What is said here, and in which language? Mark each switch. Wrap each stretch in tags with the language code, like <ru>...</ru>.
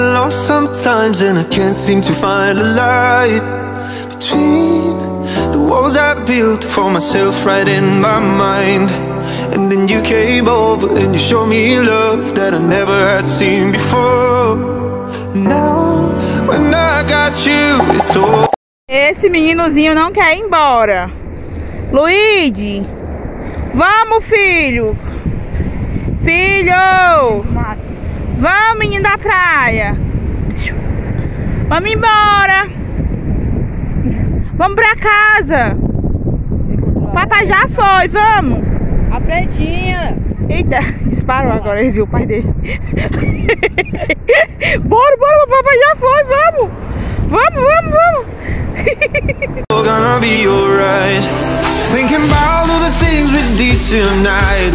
<en>Sometimes, and I can't seem to find a light between the walls I built for myself right in my mind. And then you came over and you showed me love that I never had seen before. And now, when I got you, it's all.</en> <pt>Esse meninozinho não quer ir embora. Luigi, vamos, filho. Filho, vamos, menino da praia. Vamos embora. Vamos pra casa. Papai já foi, vamos. A pretinha. Eita, disparou agora, ele viu o pai dele. Bora, bora, papai já foi, vamos. Vamos.</pt> <en>We're gonna be alright. Thinking about all the things we did tonight.</en>